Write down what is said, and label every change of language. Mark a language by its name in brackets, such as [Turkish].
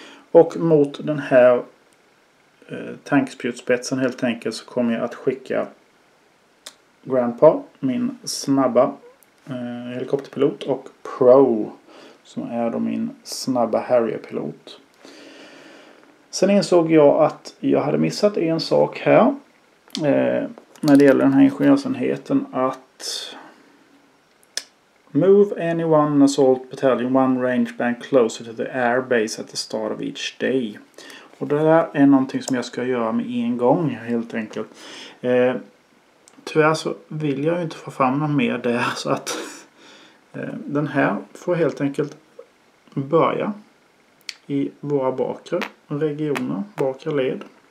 [Swedish] Och mot den här tankspjutspetsen helt enkelt så kommer jag att skicka Grandpa, min snabba helikopterpilot, och Pro som är då min snabba Harrier-pilot. Sen insåg jag att jag hade missat en sak här. När det gäller den här ingenjörsenheten. [English] Att move anyone assault battalion one range band closer to the air base at the start of each day. [Swedish] Och det där är någonting som jag ska göra med en gång helt enkelt. Tyvärr så vill jag ju inte få fram något mer där. Så att den här får helt enkelt börja i våra bakre regioner, bakre led.